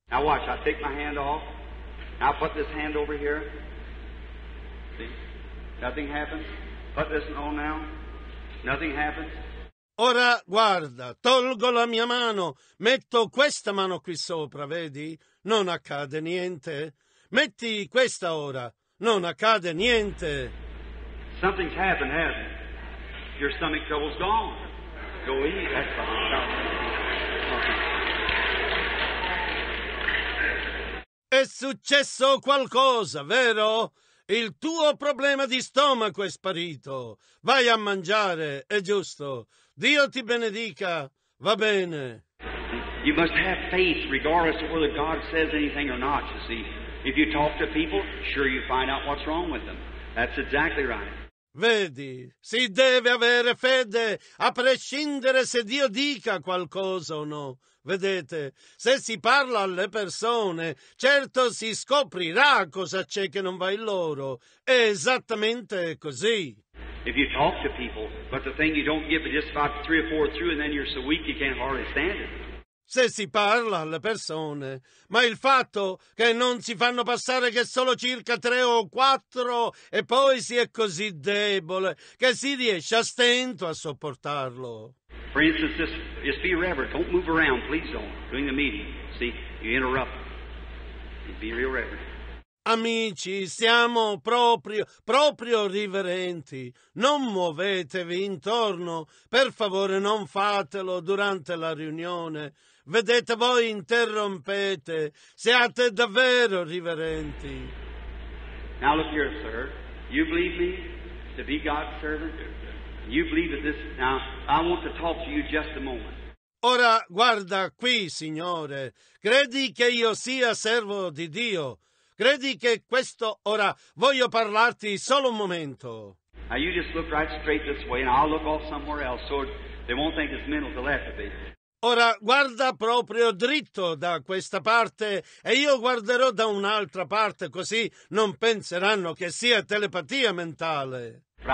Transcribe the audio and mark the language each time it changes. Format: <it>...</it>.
<en>Now watch, I take my hand off, now put this hand over here, see, nothing happens, put this on now, nothing happens.</en> <it>Ora guarda, tolgo la mia mano, metto questa mano qui sopra, vedi, non accade niente, metti questa ora, non accade niente.</it> <en>Something's happened, hasn't it? Your stomach trouble's gone, go eat, that's fine. Okay.</en> <it>È successo qualcosa, vero? Il tuo problema di stomaco è sparito. Vai a mangiare, è giusto. Dio ti benedica, va bene.</it> <en>You must have faith regardless of whether God says anything or not, you see. If you talk to people, sure you find out what's wrong with them. That's exactly right.</en> <it>Vedi, si deve avere fede a prescindere se Dio dica qualcosa o no. Vedete, se si parla alle persone, certo si scoprirà cosa c'è che non va in loro. È esattamente così.</it> <en>If you talk to people, but the thing you don't get is just about three or four through and then you're so weak you can't hardly stand it.</en> <it>Se si parla alle persone, ma il fatto che non si fanno passare che solo circa tre o quattro e poi si è così debole che si riesce a stento a sopportarlo.</it> <en>For instance, just be reverent. Don't move around, please don't. During the meeting, see, you interrupt. Be real reverent.</en> <it>Amici, siamo proprio riverenti. Non muovetevi intorno. Per favore, non fatelo durante la riunione. Vedete, voi interrompete. Siate davvero riverenti.</it> <en>Now look here, sir. You believe me to be God's servant? You believe that this... Now, I want to talk to you just a moment.</en> <it>Ora, guarda qui, signore. Credi che io sia servo di Dio? Credi che questo... Ora, voglio parlarti solo un momento.</it> <en>Now, you just look right straight this way, and I'll look off somewhere else, so they won't think it's mental telepathy.</en> <it>Ora, guarda proprio dritto da questa parte e io guarderò da un'altra parte, così non penseranno che sia telepatia mentale.</it>